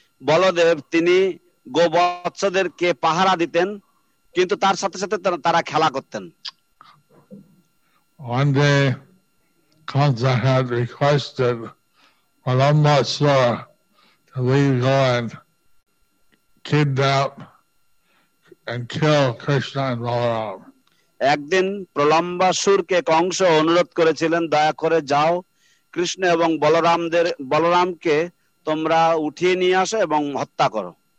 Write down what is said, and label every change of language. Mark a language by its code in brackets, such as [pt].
[bn] বলদেব তিনি গোবৎসদেরকে পাহারা দিতেন কিন্তু তার সাথে সাথে তারা খেলা করতেন। [en] One day, Kansa had requested Balambasura to leave go and kidnap and kill Krishna and Balaram. [bn] একদিন প্রলম্বাসুরকে কংস অনুরোধ করেছিলেন, দয়া করে যাও কৃষ্ণ এবং বলরামদের বলরামকে তোমরা উঠিয়ে নিয়ে আসো এবং হত্যা করো।